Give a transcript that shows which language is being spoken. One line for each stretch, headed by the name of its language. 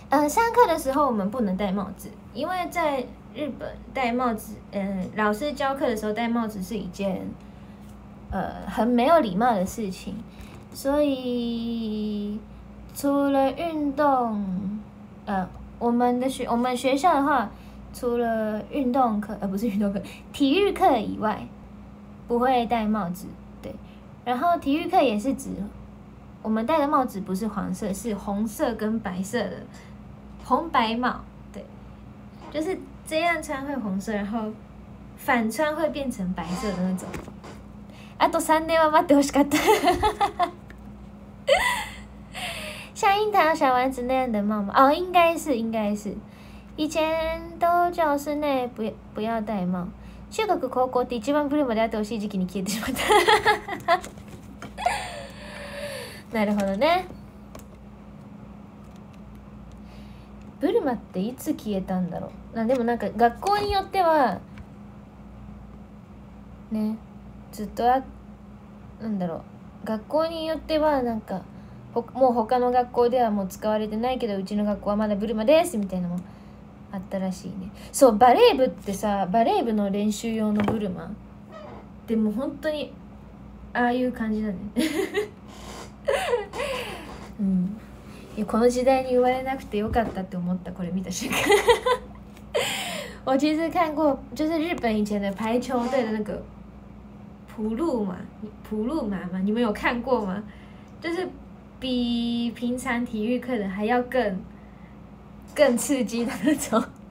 Chinese: 上课的时候我们不能戴帽子，因为在。日本戴帽子，老师教课的时候戴帽子是一件，很没有礼貌的事情，所以除了运动，我们学校的话，除了运动课，不是运动课，体育课以外，不会戴帽子，对，然后体育课也是只我们戴的帽子不是黄色，是红色跟白色的红白帽，对，就是这样穿会红色，然后反穿会变成白色的那种。
Japanese: あと3年は待ってほしかった。
Chinese: 像樱桃小丸子那样的帽吗？哦，应该是，应该是。以前都教室内不要戴帽。
Japanese: 中学高校って一番ブルーまであってほしい時期に消えてしまった。なるほどね。ブルマっていつ消えたんだろう。あ、でもなんか学校によってはね、ずっとあ、なんだろう、学校によってはなんかもう他の学校ではもう使われてないけど、うちの学校はまだブルマですみたいなのもあったらしいね。そう、バレー部ってさ、バレー部の練習用のブルマでも本当にああいう感じだね。うん、いやこの時代に言われなくてよかったって思った、これ見た瞬間。
Chinese: 我其实看过就是日本以前的排球队的那个普鲁马，普鲁马吗？你们有看过吗？就是比平常体育课的还要更刺激的那种。